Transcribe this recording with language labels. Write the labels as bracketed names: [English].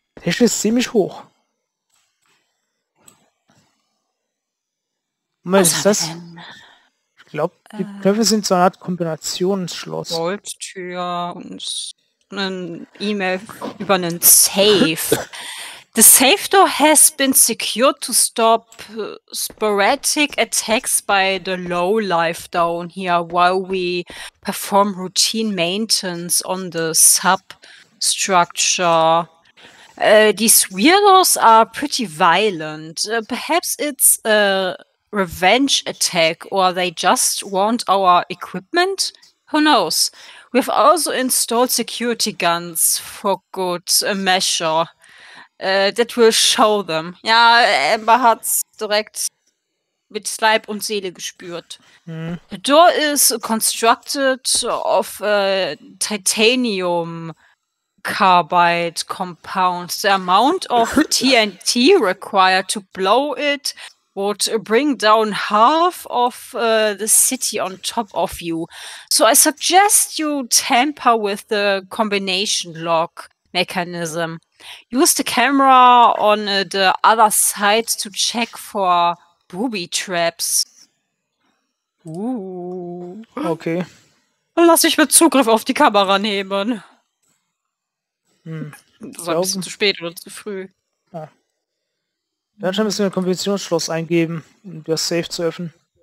[German] Der Tisch ist ziemlich hoch. Was ist das? Ich glaube, die Knöpfe sind so eine Art Kombinationsschloss. Goldtür und ein E-Mail über einen Safe. [English] The safe door has been secured to stop sporadic attacks by the low life down here while we perform routine maintenance on the substructure. These weirdos are pretty violent. Perhaps it's a revenge attack or they just want our equipment? Who knows? We've also installed security guns for good measure. That will show them. [German] Ja, Ember hat's direkt mit Leib und Seele gespürt. [English] Hm. The door is constructed of a titanium carbide compound. The amount of TNT required to blow it would bring down half of the city on top of you. So I suggest you tamper with the combination lock mechanism. Use the camera on the other side to check for booby traps. Okay. [German] Dann lass ich mir Zugriff auf die Kamera nehmen. Das war ein bisschen zu spät oder zu früh. Ja. Dann müssen wir ein Konventionsschloss eingeben, um das Safe zu öffnen.